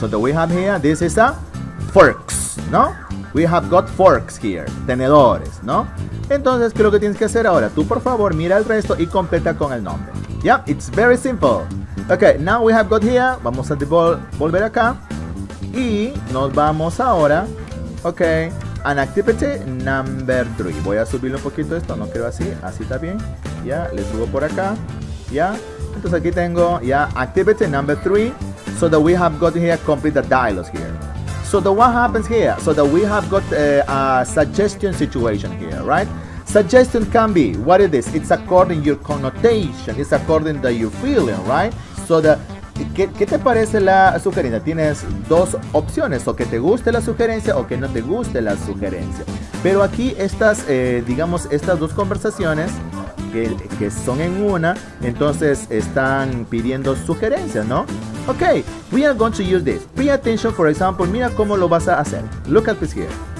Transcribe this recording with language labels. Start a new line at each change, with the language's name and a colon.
English: So that we have here, this is a forks, ¿no? We have got forks here, tenedores, ¿no?
Spanish: Entonces, ¿qué es lo que tienes que hacer ahora? Tú, por favor, mira el resto y completa con el nombre.
English: Yeah, it's very simple. Okay, now we have got here,
Spanish: vamos a volver acá. Y nos vamos ahora, okay,
English: an activity number 3.
Spanish: Voy a subirle un poquito esto, no quiero así está bien.
English: Ya, yeah,
Spanish: le subo por acá, ya.
English: Yeah.
Spanish: Entonces aquí tengo ya
English: activity number 3, so that we have got here complete the dialogue here. So the what happens here? So that we have got a suggestion situation here, right? Suggestion can be, what it is? It's according to your connotation, it's according to your feeling, right? So that,
Spanish: ¿qué te parece la sugerencia? Tienes dos opciones, o que te guste la sugerencia o que no te guste la sugerencia. Pero aquí estas dos conversaciones, que son en una, entonces están pidiendo sugerencias, ¿no?
English: Ok, we are going to use this. Pay attention, for example,
Spanish: mira cómo lo vas a hacer.
English: Look at this here.